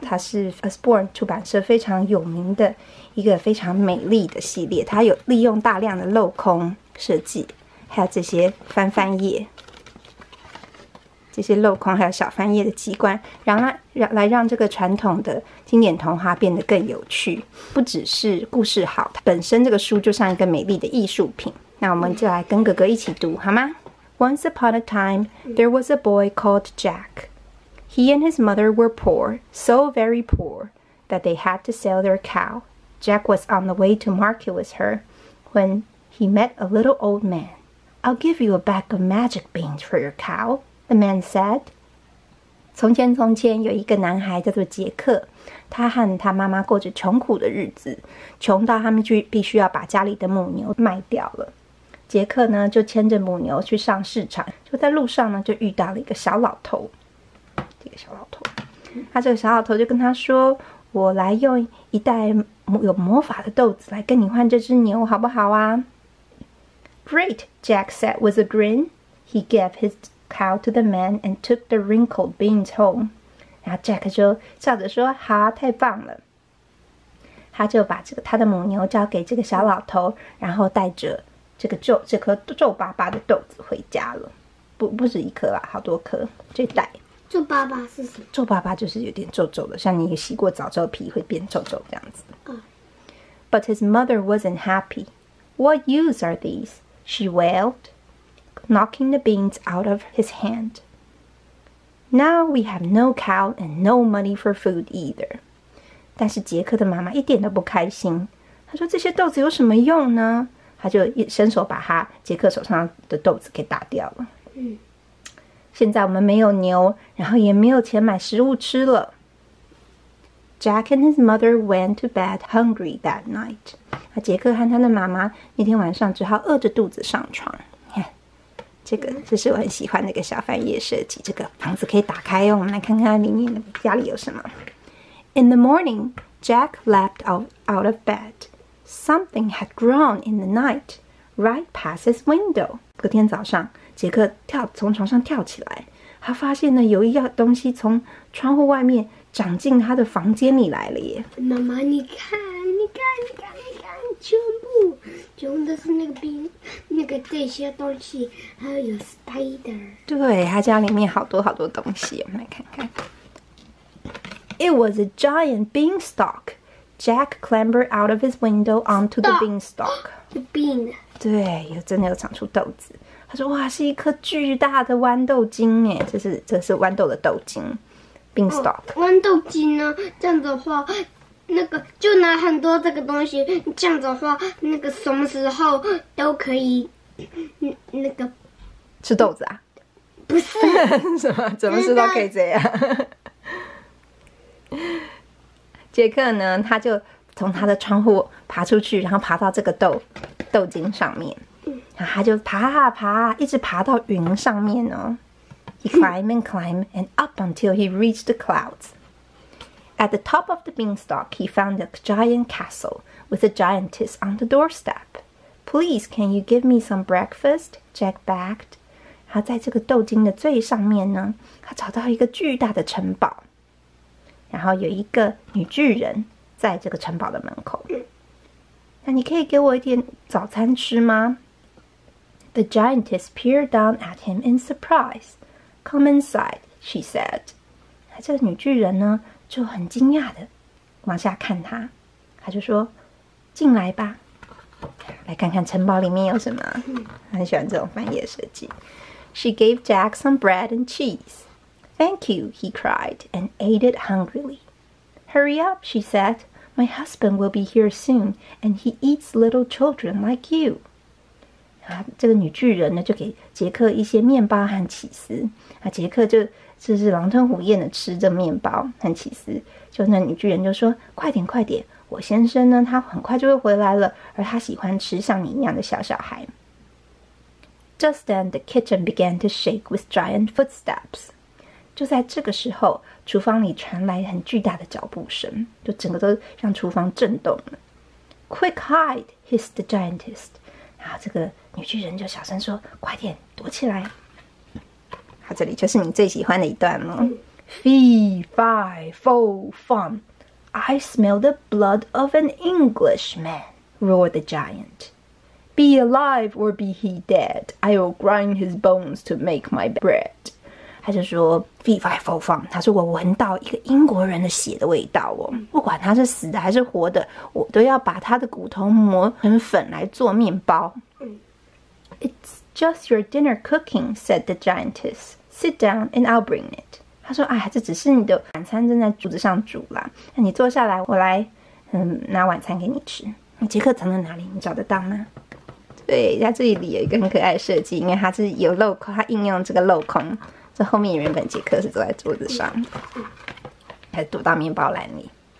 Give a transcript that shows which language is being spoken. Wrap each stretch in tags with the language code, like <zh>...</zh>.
<zh>它是 A Sporn 出版社非常有名的一个非常美丽的系列，它有利用大量的镂空设计，还有这些翻翻页，这些镂空还有小翻页的机关，来让这个传统的经典童话变得更有趣，不只是故事好，本身这个书就像一个美丽的艺术品。那我们就来跟哥哥一起读好吗？</zh> <en>Once upon a time, there was a boy called Jack. He and his mother were poor, so very poor, that they had to sell their cow. Jack was on the way to market with her when he met a little old man. I'll give you a bag of magic beans for your cow, the man said.</en> <zh>从前从前有一个男孩叫做杰克，他和他妈妈过着穷苦的日子，穷到他们就必须要把家里的母牛卖掉了。杰克呢就牵着母牛去上市场，就在路上呢就遇到了一个小老头。这个小老头，他这个小老头就跟他说，我来用一袋有魔法的豆子来跟你换这只牛好不好啊？</zh> <en>Great, Jack said with a grin. He gave his cow to the man and took the wrinkled beans home.</en> <zh>然后 Jack 就笑着说，好，太棒了。他就把这个他的母牛交给这个小老头，然后带着这颗皱巴巴的豆子回家了。不止一颗啦，好多颗。这袋皱巴巴是什么？皱巴巴就是有点皱皱的，像你洗过澡之后皮会变皱皱这样子。</zh> <en>But his mother wasn't happy. What use are these? She wailed, knocking the beans out of his hand. Now we have no cow and no money for food either.</en> <zh>但是杰克的妈妈一点都不开心，她说这些豆子有什么用呢？他就一伸手把他杰克手上的豆子给打掉了。现在我们没有牛，然后也没有钱买食物吃了。</zh> <en>Jack and his mother went to bed hungry that night.</en> <zh>杰克和他的妈妈那天晚上只好饿着肚子上床。这个这是我很喜欢的一个小翻页设计，这个房子可以打开哦，我们来看看里面的家里有什么。</zh> <en>In the morning, Jack leapt out of bed. Something had grown in the night, right past his window.</en> <zh>隔天早上，杰克从床上跳起来，他发现呢有一样东西从窗户外面长进他的房间里来了耶。妈妈，你看，你看，你看，你看，全部都是那个冰，那个这些东西，还有 spider。对，他家里面好多好多东西，我们来看看。</zh> <en>It was a giant beanstalk. Jack clambered out of his window onto the beanstalk. The bean.</en> <zh>对，有真的有长出豆子。他说：“哇，是一颗巨大的豌豆茎耶！这是豌豆的豆茎 ，beanstalk。豌豆茎呢？这样的话，那个就拿很多这个东西。这样的话，那个什么时候都可以，那个吃豆子啊？不是，什么？什么时都可以这样。杰克呢，他就从他的窗户爬出去，然后爬到这个豆茎上面，然后他就爬啊爬啊，一直爬到云上面哦。</zh> <en>He climbed and climbed and up until he reached the clouds. At the top of the beanstalk, he found a giant castle with a giantess on the doorstep. Please, can you give me some breakfast? Jack begged.</en> <zh>他在这个豆茎的最上面呢，他找到一个巨大的城堡。然后有一个女巨人在这个城堡的门口。那你可以给我一点早餐吃吗？</zh> <en>The giantess peered down at him in surprise. Come inside, she said.</en> <zh>这个女巨人呢就很惊讶的往下看她。她就说，进来吧，来看看城堡里面有什么。很喜欢这种翻页设计。</zh> <en>She gave Jack some bread and cheese. Thank you, he cried, and ate it hungrily. Hurry up, she said. My husband will be here soon, and he eats little children like you.</en> <zh>啊，这个女巨人呢就给杰克一些面包和起司，啊，杰克就是狼吞虎咽的吃着面包和起司，就那女巨人就说，快点快点，我先生呢他很快就会回来了，而他喜欢吃像你一样的小小孩。</zh> <en>Just then the kitchen began to shake with giant footsteps.</en> <zh>就在这个时候，厨房里传来很巨大的脚步声，就整个都让厨房震动了。</zh> <en>Quick hide, hissed the giantess.</en> <zh>然后这个女巨人就小声说，快点躲起来。好，这里就是你最喜欢的一段了。</zh> <en>Fee, fi, fo, fum. I smell the blood of an Englishman, roared the giant. Be alive or be he dead, I will grind his bones to make my bread.</en> <zh>他就说</zh> <en>Fee, fi, fo, fum.</en> <zh>他说我闻到一个英国人的血的味道哦，不管他是死的还是活的，我都要把他的骨头磨成粉来做面包。</zh> <en>It's just your dinner cooking, said the giantess. Sit down and I'll bring it.</en> <zh>他说哎，这只是你的晚餐正在炉子上煮啦，那你坐下来，我来拿晚餐给你吃。杰克藏在哪里？你找得到吗？对，在这里有一个很可爱的设计，因为它是有镂空，它应用这个镂空，这后面原本杰克是坐在桌子上，还躲到面包篮里。</zh>